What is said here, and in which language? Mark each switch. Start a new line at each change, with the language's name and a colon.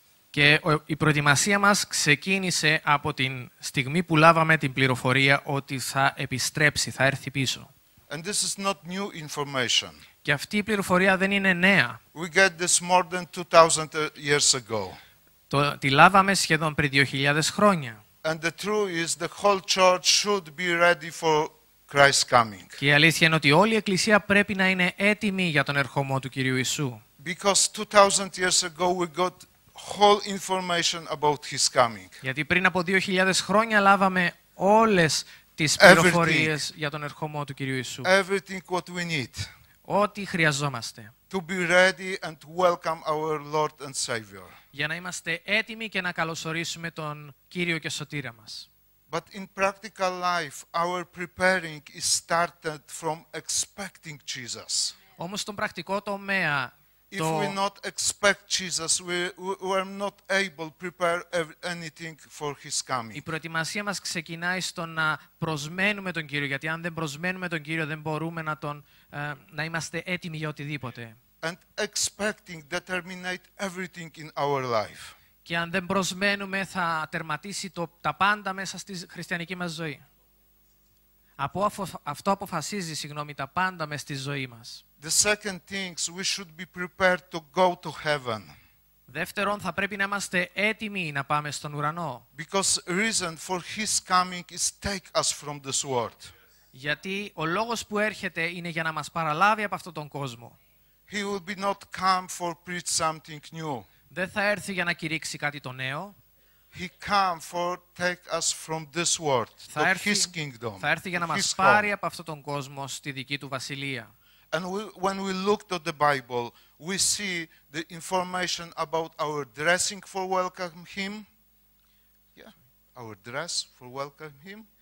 Greek: Και η προετοιμασία μας ξεκίνησε από την στιγμή που λάβαμε την πληροφορία ότι θα επιστρέψει, θα έρθει πίσω.
English: And this is not new information.
Greek: Και αυτή η πληροφορία δεν είναι νέα.
English: We get this more than 2000 years ago.
Greek: Τη λάβαμε σχεδόν πριν 2000 χρόνια.
English: And the truth is the whole church should be ready for Christ's coming.
Greek: Και η αλήθεια είναι ότι όλη η εκκλησία πρέπει να είναι έτοιμη για τον ερχομό του Κυρίου Ιησού.
English: Because 2000 years ago we got whole information about his coming.
Greek: Γιατί πριν από 2000 χρόνια λάβαμε όλες τις πληροφορίες για τον ερχομό του Κυρίου Ιησού.
English: Everything what we need.
Greek: Ό,τι χρειαζόμαστε.
English: To be ready and welcome our Lord and Savior.
Greek: Για να είμαστε έτοιμοι και να καλωσορίσουμε τον Κύριο και Σωτήρα μας.
English: But in practical life our preparing is started from expecting Jesus.
Greek: Όμως στον πρακτικό τομέα
English: if we not expect Jesus, we are not able to prepare anything for his coming.
Greek: Η προετοιμασία μας ξεκινάει στο να προσμένουμε τον Κύριο, γιατί αν δεν προσμένουμε τον Κύριο, δεν μπορούμε να είμαστε έτοιμοι για οτιδήποτε.
English: And expecting determines everything in our life.
Greek: Και αν δεν προσμένουμε, θα τερματίσει τα πάντα μέσα στη χριστιανική μας ζωή. Αυτό αποφασίζει, συγγνώμη, τα πάντα μέσα στη ζωή μας.
English: The second thing we should be prepared to go to heaven.
Greek: Δεύτερον, θα πρέπει να είμαστε έτοιμοι να πάμε στον ουρανό.
English: Because reason for his coming is take us from this world.
Greek: Γιατί ο λόγος που έρχεται είναι για να μας παραλάβει από αυτόν τον κόσμο.
English: He will be not come for preach something new.
Greek: Δεν θα έρθει για να κηρύξει κάτι το νέο.
English: He come for take us from this world to his kingdom.
Greek: Θα έρθει για να μας πάρει από αυτόν τον κόσμο στη δική του βασιλεία.
English: And when we looked at the Bible, we see the information about our dressing for welcome him. Yeah, our dress for welcome him.